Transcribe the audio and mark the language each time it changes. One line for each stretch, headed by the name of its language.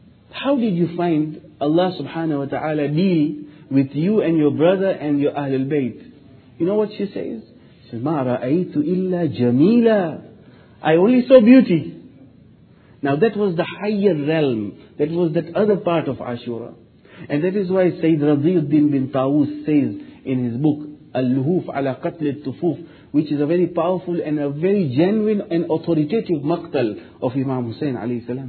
English: How did you find Allah subhanahu wa ta'ala deal with you and your brother and your Ahlul Bayt? You know what she says? She says,
Arabic: مَا رَأَيْتُ إِلَّا جَمِيلًا.
English: I only saw beauty. Now that was the higher realm. That was that other part of Ashura. And that is why Sayyid Radiyuddin bin Tawus says in his book, Al-Luhuf ala Qatl al-Tufuf, which is a very powerful and a very genuine and authoritative maqtal of Imam Hussein alayhi salam.